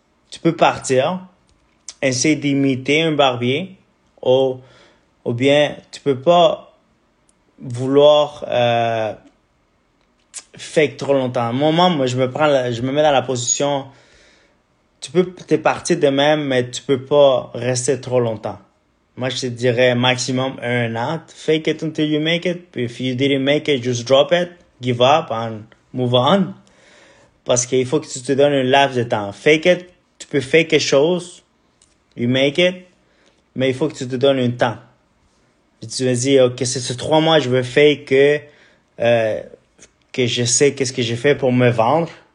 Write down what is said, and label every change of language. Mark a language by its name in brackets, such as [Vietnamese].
[French] Tu peux partir, essayer d'imiter un barbier, ou bien tu peux pas vouloir fake trop longtemps. Moi, je me mets dans la position, tu peux t'es parti de même, mais tu peux pas rester trop longtemps. Moi, je te dirais maximum un an, [English] fake it until you make it, but if you didn't make it, just drop it, give up and move on. [French] Parce qu'il faut que tu te donnes un laps de temps. Fake it, tu peux fake quelque chose, [English] you make it, [French] mais il faut que tu te donnes un temps. Puis tu me dis, ok, c'est ces 3 mois je veux fake que je sais qu'est-ce que j'ai fait pour me vendre.